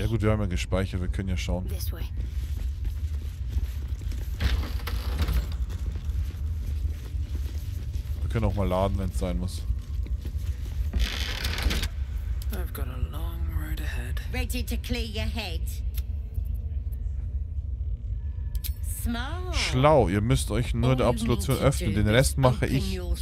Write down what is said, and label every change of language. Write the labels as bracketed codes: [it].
[de] Ja gut, wir haben ja gespeichert, wir können ja schauen. [en] This way. [de] Wir können auch mal laden, wenn es sein muss. [en] I've got a long road ahead. Ready to clear your head. [de] Schlau, ihr müsst euch nur der Absolution öffnen, den Rest mache ich.